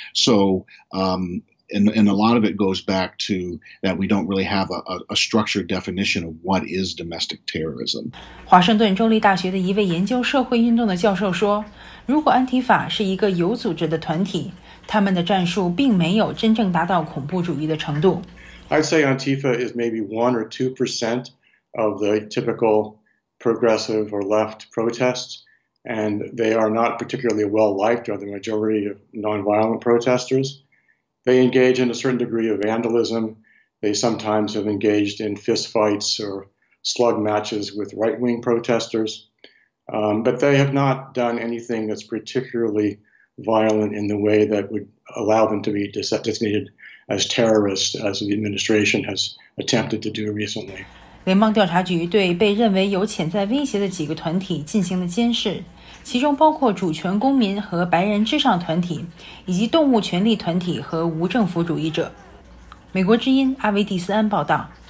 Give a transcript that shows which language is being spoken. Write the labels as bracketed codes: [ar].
[en] So, and a lot of it goes back to that we don't really have a structured definition of what is domestic terrorism. [zh] 华盛顿州立大学的一位研究社会运动的教授说。如果安提法是一个有组织的团体，他们的战术并没有真正达到恐怖主义的程度。 [en] I'd say Antifa is maybe 1 or 2% of the typical progressive or left protests, and they are not particularly well liked by the majority of nonviolent protesters. They engage in a certain degree of vandalism. They sometimes have engaged in fist fights or slug matches with right-wing protesters. But they have not done anything that's particularly violent in the way that would allow them to be designated as terrorists, as the administration has attempted to do recently. [zh] 联邦调查局对被认为有潜在威胁的几个团体进行了监视，其中包括主权公民和白人至上团体，以及动物权利团体和无政府主义者。美国之音阿维蒂斯安报道。